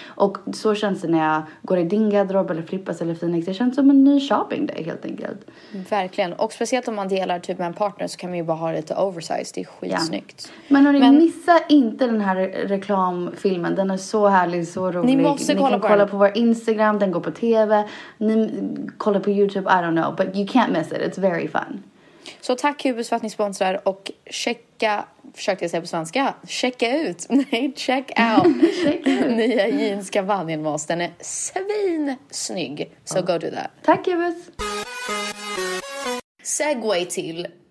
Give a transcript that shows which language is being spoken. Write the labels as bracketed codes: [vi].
[sv] Och så känns det när jag går i din garderob. Eller Flippas eller Phoenix. Det känns som en ny shopping day helt enkelt. Verkligen. Och speciellt om man delar typ med en partner. Så kan man ju bara ha lite oversized. Det är skitsnyggt. [en] Yeah. [sv] Men hörni, missa inte den här reklamfilmen. Den är så härlig, så rolig. Ni måste kolla, ni kan kolla på vår Instagram. Den går på TV. Ni kollar på YouTube, [en] I don't know, but you can't miss it. It's very fun. [sv] Så tack Cubus för att ni sponsrar och checka, försökte jag säga på svenska, [en] check out [sv] nya jeans kavanjen med oss. Den är svinsnygg. [en] So go do that. [sv] Tack Cubus. Segway till